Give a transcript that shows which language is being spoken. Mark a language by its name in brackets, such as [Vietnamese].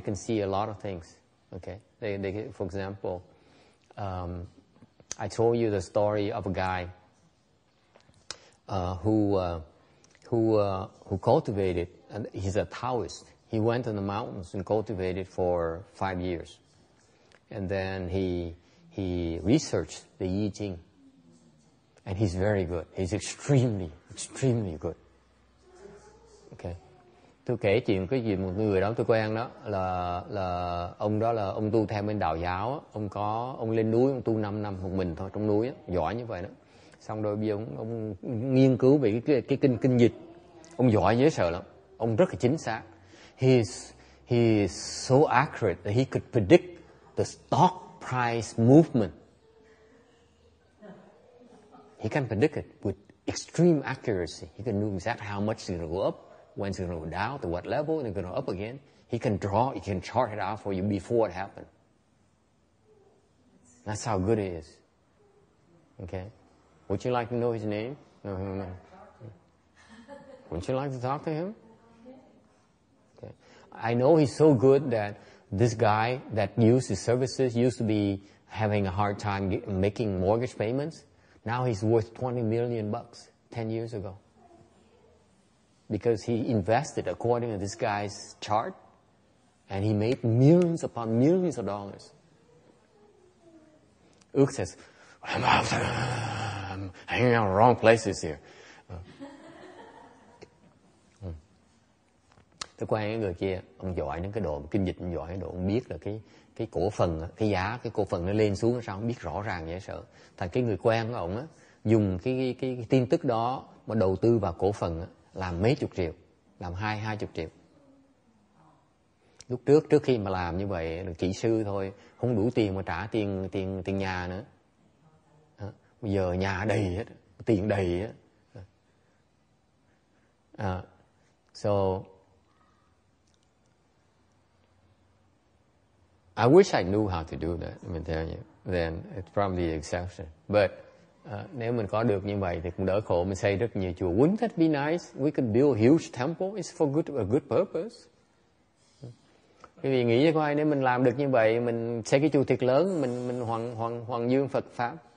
[English] They can see a lot of things. Okay, they for example, I told you the story of a guy who cultivated, and he's a Taoist. He went on the mountains and cultivated for 5 years, and then he researched the Yi Jing, and he's very good. He's extremely, extremely good. [Vietnamese] Okay, tôi kể chuyện cái gì một người đó tôi quen đó là ông đó là ông tu theo bên đạo giáo đó. Ông lên núi ông tu 5 năm một mình thôi trong núi đó. Giỏi như vậy đó. Xong rồi bây giờ ông nghiên cứu về cái kinh dịch. Ông giỏi dễ sợ lắm. Ông rất là chính xác. [English] He is so accurate that he could predict the stock price movement. He can predict it with extreme accuracy. He can know exactly how much it's going to go up, when it's going to go down, to what level, and it's going to go up again. He can chart it out for you before it happened. That's how good it is. Okay? Would you like to know his name? No. Wouldn't you like to talk to him? Okay. I know he's so good that this guy that used his services used to be having a hard time making mortgage payments. Now he's worth 20 million bucks 10 years ago. Because he invested according to this guy's chart and he made millions upon millions of dollars. Ook says, I'm hanging out in the wrong places here. [Vietnamese] Tôi quen cái người kia, ông giỏi đến cái độ kinh dịch, ông giỏi đến độ ông biết là cái cổ phần, cái giá cái cổ phần nó lên xuống sao ông biết rõ ràng dễ sợ. Thành cái người quen của ông á, dùng cái tin tức đó mà đầu tư vào cổ phần á, làm mấy chục triệu, làm hai chục triệu. Lúc trước khi mà làm như vậy là kỹ sư thôi, không đủ tiền mà trả tiền nhà nữa. Bây giờ nhà đầy hết, tiền đầy hết. [English] So I wish I knew how to do that, let me tell you. Then it's probably the exception. [Vietnamese] But nếu mình có được như vậy thì cũng đỡ khổ, mình xây rất nhiều chùa. [English] Wouldn't that be nice? We can build a huge temple. It's for a good purpose. [Vietnamese] Quý vị nghĩ coi, nếu mình làm được như vậy, mình xây cái chùa thiệt lớn, mình hoàng dương Phật Pháp.